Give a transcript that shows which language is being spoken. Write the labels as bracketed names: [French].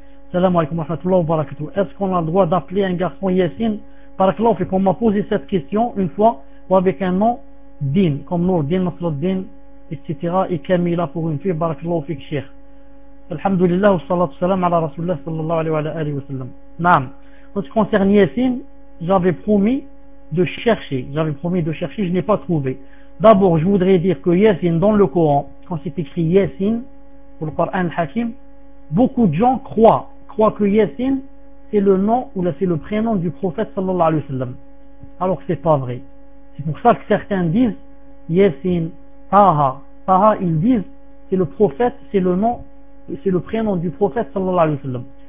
[Arabic] Salam alaikum wa rahmatullah wa barakatuh. [French] Est-ce qu'on a le droit d'appeler un garçon Yassine? Barakallahu fik, on m'a posé cette question une fois, ou avec un nom, Din, comme Nourdin, Nasruddin, etc. et Kamila pour une fille, barakallahu fik, cheikh. [Arabic] الحمد لله والصلاة والسلام على رسول الله صلى الله عليه وعلى آله وسلم نعم [French] en ce qui concerne Yassine j'avais promis de chercher je n'ai pas trouvé. D'abord je voudrais dire que Yassine dans le Coran, quand c'est écrit Yassine pour le Coran al-Hakim, beaucoup de gens croient que Yassine c'est le nom ou c'est le prénom du prophète sallallahu alayhi wa sallam, alors que c'est pas vrai. C'est pour ça que certains disent Yassine Taha, ils disent c'est le prophète, c'est le nom, c'est le prénom du prophète sallallahu alayhi wa sallam.